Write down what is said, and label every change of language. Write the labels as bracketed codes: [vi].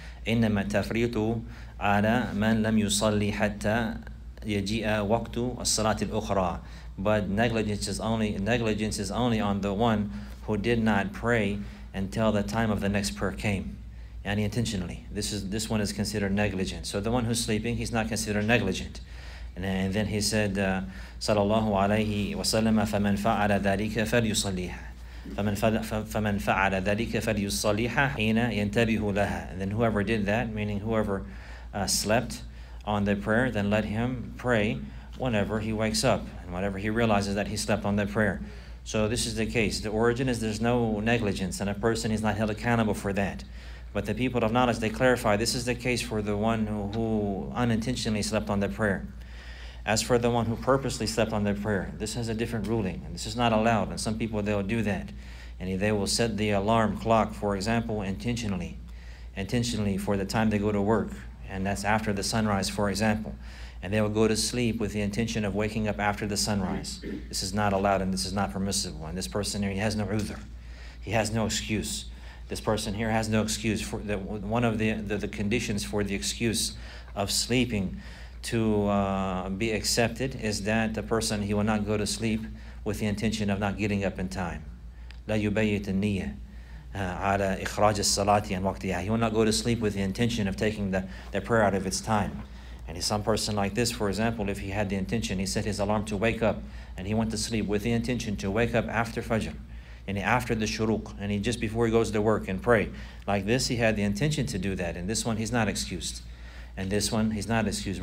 [ar] إِنَّمَا تَفْرِيطُ عَلَى مَنْ لَمْ يُصَلِّ حَتَّى يَجِئَ وَقْتُ الصَّلَاةِ الْأُخْرَى. [en] But negligence is only on the one who did not pray until the time of the next prayer came. And intentionally, this one is considered negligent. So the one who's sleeping, he's not considered negligent. And then he said, [ar] صلى الله عليه وسلم, فَمَنْ فَعَلَ ذَلِكَ فَلْيُصَلِّيهَا. فَمَنْ فَعَلَ ذَلِكَ فَلْيُصَلِّيهَا حِينَ يَنْتَبِهُ لَهَا. [en] Then whoever did that, meaning whoever slept on the prayer, then let him pray whenever he wakes up, and whenever he realizes that he slept on that prayer. So this is the case. The origin is there's no negligence, and a person is not held accountable for that. But the people of knowledge, they clarify, this is the case for the one who unintentionally slept on the prayer. As for the one who purposely slept on their prayer, this has a different ruling, and this is not allowed. And some people, they'll do that. And they will set the alarm clock, for example, intentionally for the time they go to work. And that's after the sunrise, for example. And they will go to sleep with the intention of waking up after the sunrise. This is not allowed, and this is not permissible. And this person here, he has no udhur. He has no excuse. This person here has no excuse. For the, one of the conditions for the excuse of sleeping to be accepted is that the person, he will not go to sleep with the intention of not getting up in time. [ar] لا يبيت النية على إخراج الصلاة عن وقتها. [en] He will not go to sleep with the intention of taking the prayer out of its time. And some person like this, for example, if he had the intention, he set his alarm to wake up, and he went to sleep with the intention to wake up after Fajr, and after the Shuruq, and he just before he goes to work and pray. Like this, he had the intention to do that, and this one, he's not excused. And this one, he's not excused.